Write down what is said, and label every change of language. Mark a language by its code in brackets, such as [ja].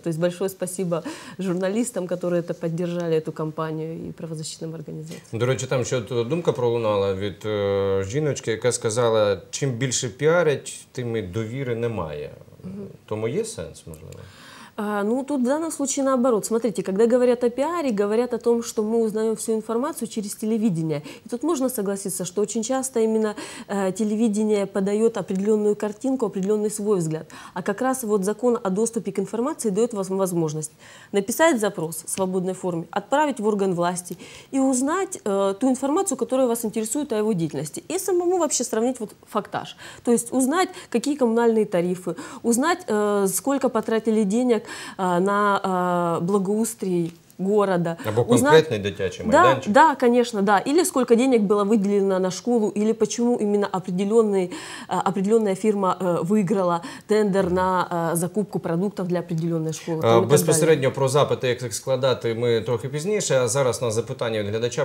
[ru] То есть большое спасибо журналистам, которые это поддержали, эту кампанию и правозащитным организациям. [uk] До речі, там ще думка пролунала від жіночки, яка сказала, чим більше піарять, тим і довіри немає. Тому є сенс, можливо? [ru] Ну, тут в данном случае наоборот. Смотрите, когда говорят о пиаре, говорят о том, что мы узнаем всю информацию через телевидение. И тут можно согласиться, что очень часто именно телевидение подает определенную картинку, определенный свой взгляд. А как раз вот закон о доступе к информации дает вам возможность написать запрос в свободной форме, отправить в орган власти и узнать ту информацию, которая вас интересует о его деятельности. И самому вообще сравнить вот фактаж. То есть узнать, какие коммунальные тарифы, узнать, сколько потратили денег на благоустрой города. [uk] Або конкретный дитячий майданчик? [ru] Да, конечно, да. Или сколько денег было выделено на школу, или почему именно определенная фирма выиграла тендер на закупку продуктов для определенной школы. [uk] Безпосередньо про запити, як їх складати, ми трохи пізніше, а зараз на запитання від глядача.